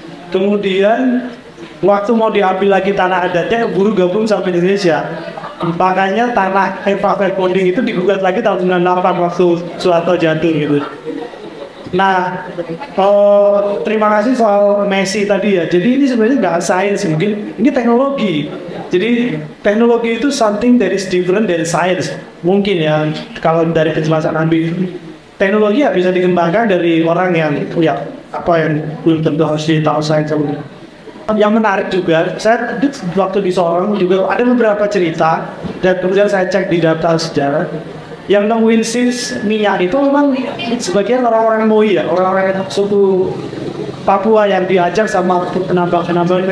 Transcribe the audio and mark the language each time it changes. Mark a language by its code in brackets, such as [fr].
[id] Kemudian waktu mau diambil lagi tanah adatnya, buru gabung sampai Indonesia. Makanya tanah Verponding itu digugat lagi tahun 98 waktu Soeharto jatuh gitu. Nah, terima kasih soal Messi tadi ya. Jadi ini sebenarnya nggak science, mungkin ini teknologi. Jadi teknologi itu [en] something that is different than science. [id] Mungkin ya, kalau dari penjelasan Nabi, teknologi ya bisa dikembangkan dari orang yang ya apa yang belum tentu harus tahu science atau. Yang menarik juga, saya waktu di Sorong juga ada beberapa cerita dan kemudian saya cek di data sejarah yang nemuin sis minyak itu memang sebagian orang-orang Moi ya, orang-orang suku Papua yang diajar sama penambang-penambang.